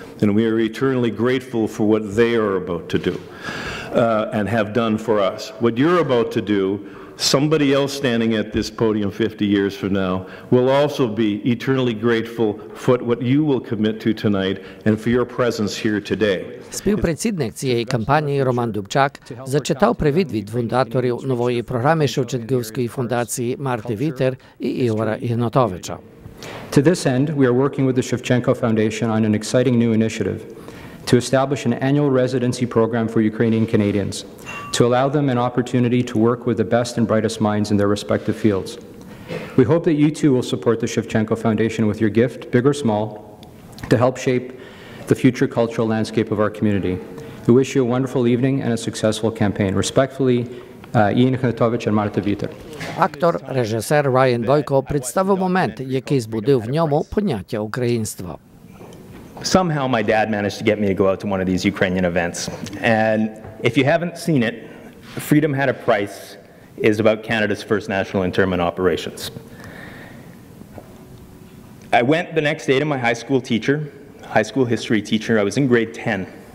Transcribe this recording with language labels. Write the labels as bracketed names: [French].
[English] And we are eternally grateful for what they are about to do and have done for us. What you're about to do, somebody else standing at this podium 50 years from now will also be eternally grateful for what you will commit to tonight and for your presence here today. [Ukrainian] Співпрацівник цієї кампанії Роман Дубчак зачитав привіт від фундаторів нової програми Шевченківської фундації Марти Вітер і Ігора Ігнатовича. [English] To this end, we are working with the Shevchenko Foundation on an exciting new initiative to establish an annual residency program for Ukrainian Canadians to allow them an opportunity to work with the best and brightest minds in their respective fields. We hope that you too will support the Shevchenko Foundation with your gift, big or small, to help shape the future cultural landscape of our community. We wish you a wonderful evening and a successful campaign. Respectfully, Ін Хнатович і Марта Вітер. [Ukrainian] Актор, режисер Райан Бойко представив момент, який збудив в ньому поняття українства. [English] Somehow my dad managed to get me to go out to one of these Ukrainian events. And if you haven't seen it, Freedom Had a Price is about Canada's first national internment operations. I went the next day to my high school teacher, high school history teacher. I was in grade 10.